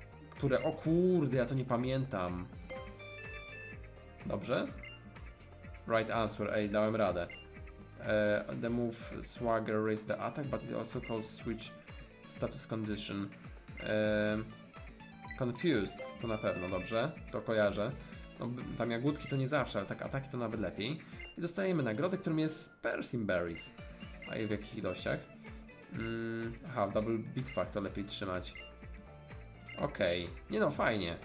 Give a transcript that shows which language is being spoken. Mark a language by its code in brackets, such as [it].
[pl] Które? O kurde, ja to nie pamiętam. Dobrze? [en] Right answer, [pl] ej, dałem radę. [en] The move Swagger raise the attack, but it also calls switch status condition. [pl] Confused, to na pewno, dobrze, to kojarzę. No, tam jagódki to nie zawsze, ale tak ataki to nawet lepiej. I dostajemy nagrodę, którą jest Persim Berries. A i w jakich ilościach? Aha, w double bitwach to lepiej trzymać. Okej, okay. Nie no, fajnie.